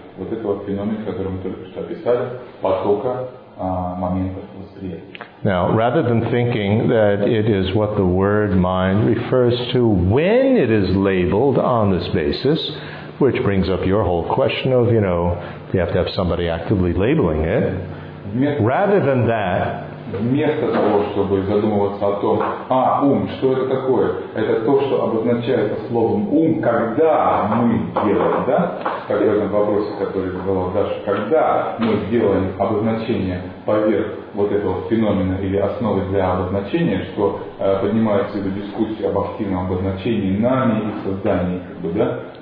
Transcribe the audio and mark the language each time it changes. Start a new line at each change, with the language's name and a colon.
Russian: вот этого феномена, который мы только что описали, потока моментов восприятия.
English: Now, rather than thinking that it is what the word mind refers to when it is labeled on this basis, which brings up your whole question of, you know, do you have to have somebody actively labeling it? Rather than that,
Russian: вместо того, чтобы задумываться о том, а, ум, что это такое? Это то, что обозначается словом ум, когда мы делаем, да? Как в этом вопросе, который задала Даша, когда мы сделаем обозначение поверх вот этого феномена или основы для обозначения, что поднимается в дискуссии об активном обозначении нами и создании, как бы, да?